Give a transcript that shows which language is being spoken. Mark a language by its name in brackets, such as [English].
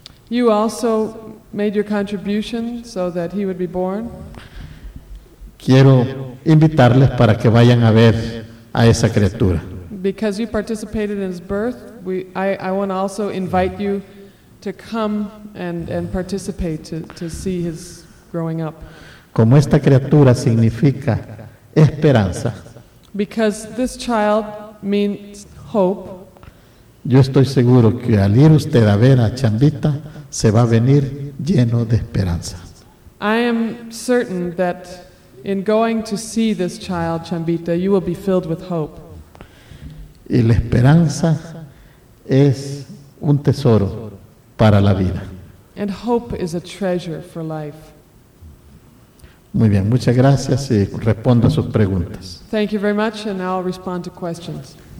[English] You also made your contribution so that he would be born. [Spanish] Quiero invitarles para que vayan a ver a esa criatura. [English] Because you participated in his birth, I want to also invite you to come and participate to see his growing up. [Spanish] Como esta criatura significa esperanza. [English] Because this child means hope. [Spanish] Yo estoy seguro que al ir usted a ver a Chambita, se va a venir lleno de esperanza. [English] I am certain that in going to see this child, Chambita, you will be filled with hope. [Spanish] Y la esperanza es un tesoro para la vida. [English] And hope is a treasure for life. [Spanish] Muy bien, muchas gracias y respondo a sus preguntas. [English] Thank you very much, and I'll respond to questions.